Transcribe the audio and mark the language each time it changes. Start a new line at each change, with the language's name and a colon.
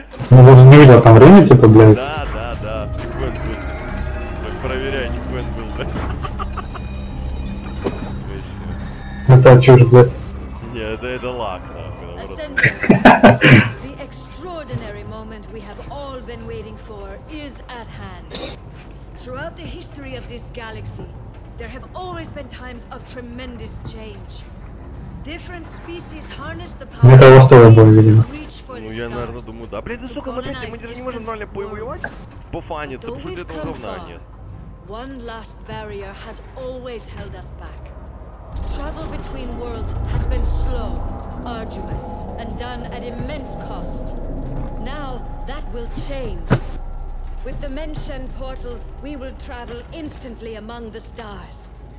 Russian: Ну, может, не видел там время, типа, блядь? Да, чекпоинт был. Так проверяй, чекпоинт был, да? Это чушь, блядь. Не, это лаг, нахуй, наоборот.
English: The extraordinary moment we have all been waiting for is at hand. Throughout the history of this galaxy, there have always been times of tremendous change.
Russian: Different species harness the power. Мне того стоило было, видимо. Ну я, наверное, думаю, да. Блин, ну сука, мы опять, мы даже не можем нормально повоевать? Пофаниться, потому что для этого говна нет.
English: One last barrier has always held us back. Travel between worlds has been slow, arduous, and done at immense cost. Now that will change. With the Menshen portal, we will travel instantly among the stars.